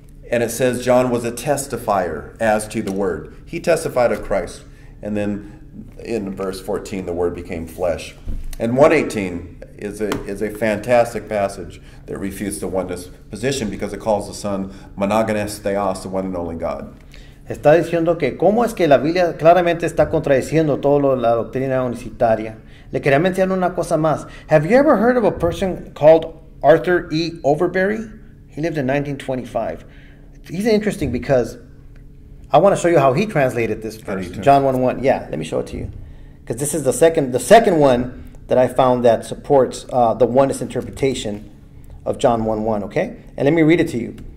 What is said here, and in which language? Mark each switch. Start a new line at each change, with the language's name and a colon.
English: And it says John was a testifier as to the Word. He testified of Christ. And then in verse 14, the Word became flesh. And 1:18 is a fantastic passage that refutes the oneness position because it calls the Son monogenes theos, the one and only God.
Spanish: Está diciendo que cómo es que la Biblia claramente está contradiciendo todo lo de la doctrina unicitaria. Le quería mencionar una cosa más.
English: Have you ever heard of a person called Arthur E. Overbury? He lived in 1925. He's interesting because I want to show you how he translated this verse, John 1:1. Yeah, let me show it to you. Because this is the second one that I found that supports the oneness interpretation of John 1:1, okay? And let me read it to you.